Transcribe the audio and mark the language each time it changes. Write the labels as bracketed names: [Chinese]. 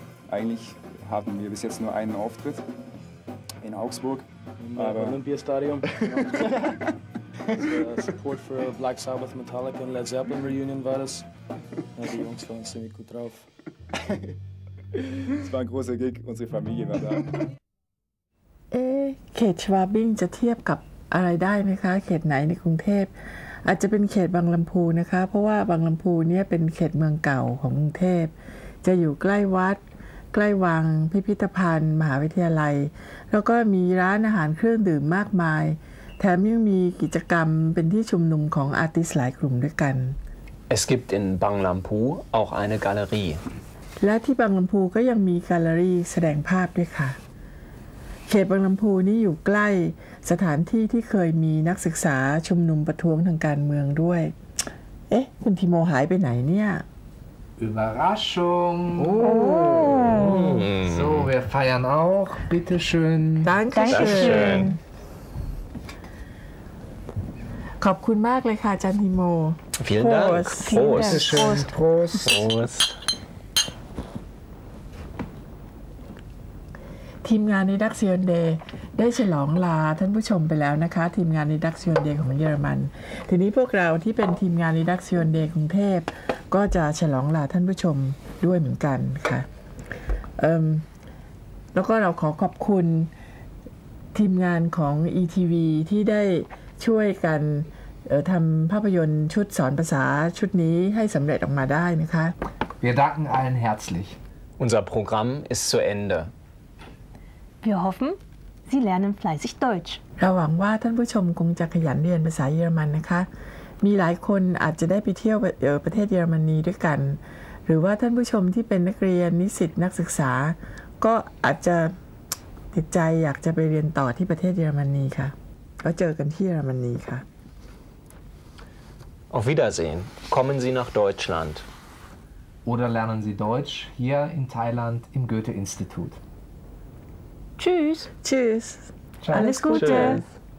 [German] Eigentlich haben wir bis jetzt nur einen Auftritt in Augsburg. Im Olympiastadion. [English] Support for [German] Black Sabbath, Metallica und Led Zeppelin Reunion war das. Ja, die Jungs waren ziemlich gut drauf. Es war ein großer Gig, unsere Familie war da. [Thai] เขตชวาบิ้งจะเทียบกับอะไรได้ไหมคะเขตไหนในกรุงเทพอาจจะเป็นเขตบางลำพูนะคะเพราะว่าบางลำพูเนี่ยเป็นเขตเมืองเก่าของกรุงเทพจะอยู่ใกล้วัดใกล้วังพิพิธภัณฑ์มหาวิทยาลัยแล้วก็มีร้านอาหารเครื่องดื่มมากมายแถมยังมีกิจกรรมเป็นที่ชุมนุมของอาร์ติสต์หลายกลุ่มด้วยกัน [German] Es gibt in Bang Lampu auch eine Galerie [Thai] และที่บางลำพูก็ยังมีแกลเลอรี่แสดงภาพด้วยค่ะเขตบางลำพูนี้อยู่ใกล้สถานที่ที่เคยมีนักศึกษาชุมนุมประท้วงทางการเมืองด้วยเอ๊ะคุณทีโมหายไปไหนเนี่ย [German] Überraschung So wir feiern auch bitte schön Dankeschön [Thai] ขอบคุณมากเลยค่ะจันทีโม [German] Vielen Dank Prost Prost Prost Prost, Prost. [Thai] ทีมงานในดักเซียนเดย์ได้ฉลองลาท่านผู้ชมไปแล้วนะคะทีมงานในดักเซียนเดย์ของเยอรมันทีนี้พวกเราที่เป็นทีมงานในดักเซียนเดย์กรุงเทพก็จะฉลองลาท่านผู้ชมด้วยเหมือนกันค่ะแล้วก็เราขอขอบคุณทีมงานของ ETV ที่ได้ช่วยกันทำภาพยนตร์ชุดสอนภาษาชุดนี้ให้สำเร็จออกมาได้นะคะ [German] Wir danken allen herzlich Unser Programm ist zu Ende. Wir hoffen, Sie lernen fleißig Deutsch. [Thai] เราหวังว่าท่านผู้ชมคงจะขยันเรียนภาษาเยอรมันนะคะมีหลายคนอาจจะได้ไปเที่ยวประเทศเยอรมนีด้วยกันหรือว่าท่านผู้ชมที่เป็นนักเรียนนิสิตนักศึกษาก็อาจจะติดใจอยากจะไปเรียนต่อที่ประเทศเยอรมนีค่ะก็เจอกันที่เยอรมนีค่ะ [German] Auf Wiedersehen. Kommen Sie nach Deutschland. Oder lernen Sie Deutsch hier in Thailand im Goethe-Institut. Tschüss. Tschüss. Alles Gute. Tschüss.